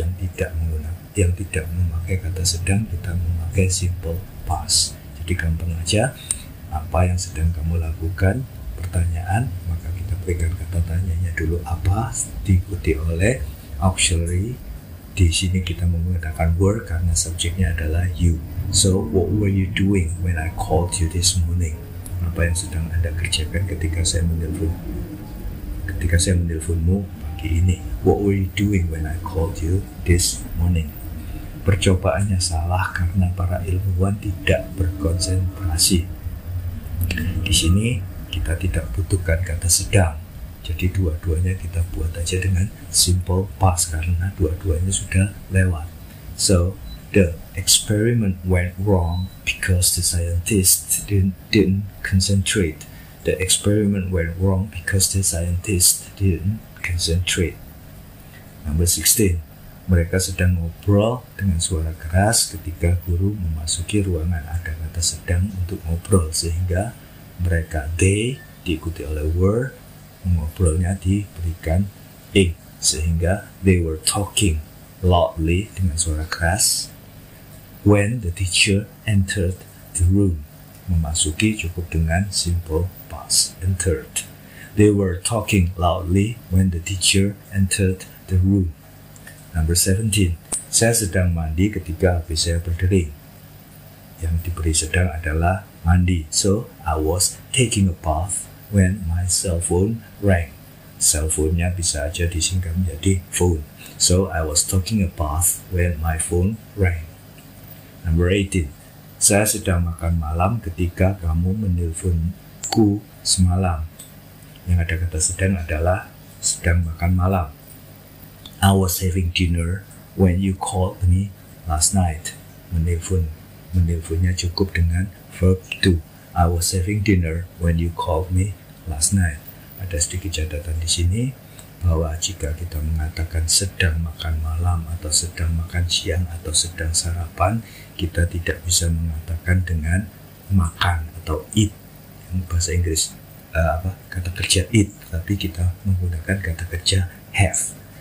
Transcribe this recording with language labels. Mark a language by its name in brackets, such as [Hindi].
[Indonesian] Yang tidak memakai kata sedang, kita memakai simple past. Jadi gampang aja. Apa yang sedang kamu lakukan? Pertanyaan. Maka kita berikan kata tanyanya dulu apa, diikuti oleh auxiliary. Di sini kita menggunakan work karena subjeknya adalah you. [English] So, what were you doing when I called you this morning? [Indonesian] Apa yang sedang Anda kerjakan ketika saya menelpon? Ketika saya menelponmu pagi ini. [English] What were you doing when I called you this morning? [Indonesian] Percobaannya salah karena para ilmuwan tidak berkonsentrasi. Di sini kita tidak butuhkan kata sedang. Jadi dua-duanya kita buat aja dengan simple past karena dua-duanya sudah lewat. [English] So the experiment went wrong because the scientist didn't concentrate. The experiment went wrong because the scientist didn't concentrate. Number 16. [Indonesian] Mereka sedang ngobrol dengan suara keras ketika guru memasuki ruangan. Ada kata sedang untuk ngobrol sehingga mereka they diikuti oleh were, ngobrolnya diberikan ing sehingga [English] they were talking loudly [Indonesian] dengan suara keras. [English] When the teacher entered the room, [Indonesian] memasuki cukup dengan [English] simple past entered. They were talking loudly when the teacher entered the room. Number 17. [Indonesian] Saya sedang mandi ketika habis saya berdering. Yang diberi sedang adalah mandi. [English] So, I was taking a bath when my cell phone rang. [Indonesian] Cell phone-nya bisa aja disingkat menjadi phone. [English] So, I was taking a bath when my phone rang. Number 18. [Indonesian] Saya sedang makan malam ketika kamu menelponku semalam. Yang ada kata sedang adalah sedang makan malam. [English] I was having dinner when you called me last night. [Indonesian] Menelpon. Menelponnya cukup dengan verb to. [English] I was having dinner when you called me last night. [Indonesian] Ada sedikit catatan di sini bahwa jika kita mengatakan sedang makan malam atau sedang makan siang atau sedang sarapan, kita tidak bisa mengatakan dengan makan atau eat. Yang bahasa Inggris kata kerja eat, tapi kita menggunakan kata kerja have.